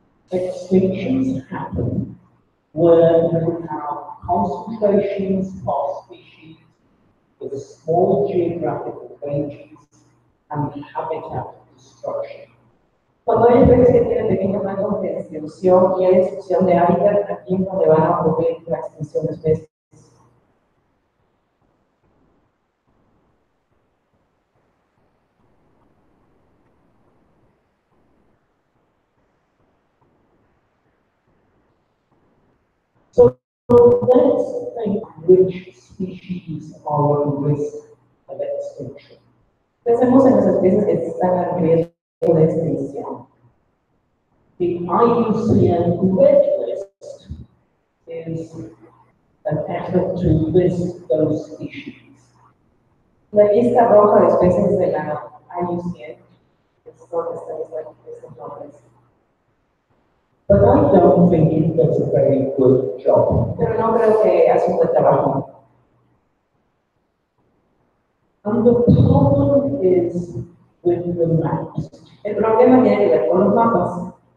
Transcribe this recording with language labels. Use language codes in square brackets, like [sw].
[en] Extinctions happen where you have concentrations of species with small geographical ranges and habitat destruction. [es] Cuando hay especies que tienen pequeños rangos de distribución y hay destrucción de hábitat, aquí es donde van a ocurrir la extinción de especies. [en] So let's think which species are at risk of extinction. [es] Pensemos en las especies que están en riesgo de extinción. [en] The IUCN Red List is an effort to list those species. [es] La lista roja de especies de la IUCN es donde están los nombres. [en] But I don't think it does a very good job. [es] Pero no creo que hace un buen trabajo. [en] And the problem is with the maps. [es] El problema tiene que ver con los mapas.